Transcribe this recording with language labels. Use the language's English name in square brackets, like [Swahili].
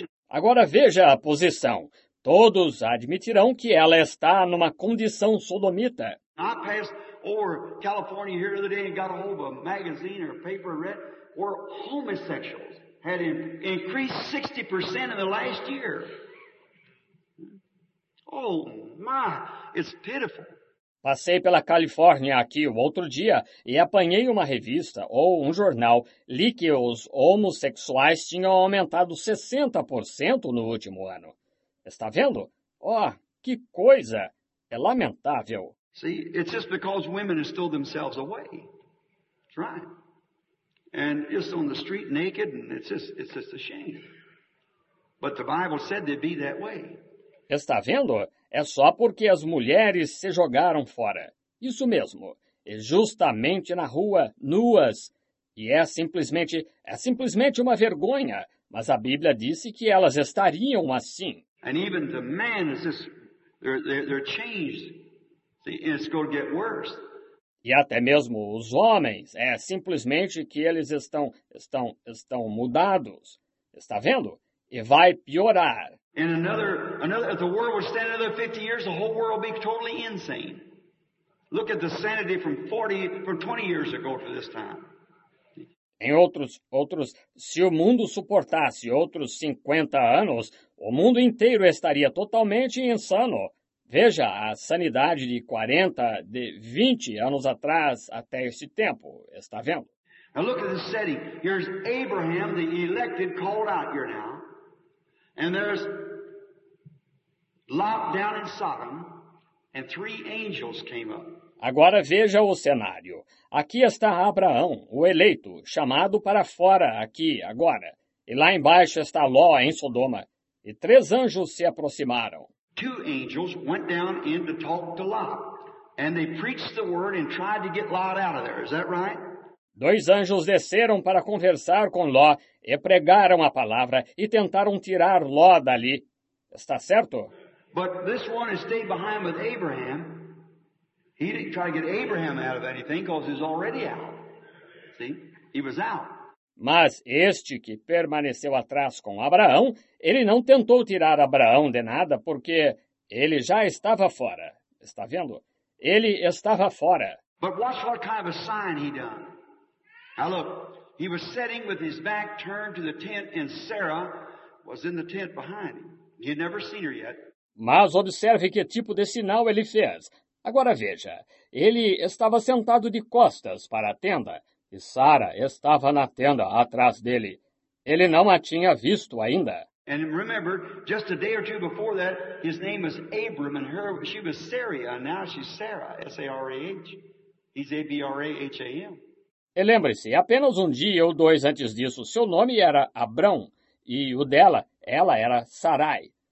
[Portuguese] Agora veja a posição. Todos admitirão que ela está numa condição sodomita. [English] Or California here the other day and got a hold of a magazine or a paper read where homosexuals had increased 60% in the last year. Oh my, it's pitiful. [Portuguese] Passei pela Califórnia aqui o outro dia e apanhei uma revista ou um jornal, li que os homossexuais tinham aumentado 60% no último ano. Está vendo? Oh, que coisa! É lamentável. [English] See, it's just because women have stole themselves away. That's right. And just on the street naked, and it's just a shame. But the Bible said they'd be that way. [Portuguese] Está vendo? É só porque as mulheres se jogaram fora. Isso mesmo. E justamente na rua, nuas. E é simplesmente uma vergonha. Mas a Bíblia disse que elas estariam assim. [English] And even the men is just, they're changed. It's going to get worse. [Portuguese] E até mesmo os homens, é simplesmente que eles estão mudados. Está vendo? E vai piorar. [English] And another if the world would stand another 50 years, the whole world would be totally insane. Look at the sanity from 20 years ago to this time. [Portuguese] Em outros, se o mundo suportasse outros 50 anos, o mundo inteiro estaria totalmente insano. Veja a sanidade de 40, de 20 anos atrás até esse tempo. Está vendo? [English] Now look at the setting. Here's Abraham, the elected, called out here now. And there's Lot down in Sodom, and three angels came up. [Portuguese] Agora veja o cenário. Aqui está Abraão, o eleito, chamado para fora aqui, agora. E lá embaixo está Ló, em Sodoma. E três anjos se aproximaram. [English] Two angels went down in to talk to Lot, and they preached the word and tried to get Lot out of there. Is that right? [Portuguese] Dois anjos desceram para conversar com Ló e pregaram a palavra e tentaram tirar Ló dali. Está certo? [English] But this one has stayed behind with Abraham. He didn't try to get Abraham out of anything because he's already out. See? He was out. [Portuguese] Mas este que permaneceu atrás com Abraão, ele não tentou tirar Abraão de nada porque ele já estava fora. Está vendo? Ele estava fora. [English] But watch what kind of a sign he done. Now look, he was sitting with his back turned to the tent and Sarah was in the tent behind him. He had never seen her yet. [Portuguese] Mas observe que tipo de sinal ele fez. Agora veja, ele estava sentado de costas para a tenda. E Sara estava na tenda atrás dele. Ele não a tinha visto ainda. [English] And remember, just a day or two before that, his name was Abram, and she was Sarah, and now she's Sarah, S-A-R-A-H. He's A-B-R-A-H-A-M. [Portuguese] E lembre-se, apenas um dia ou dois antes disso, seu nome era Abrão, e o dela, ela era Sarai.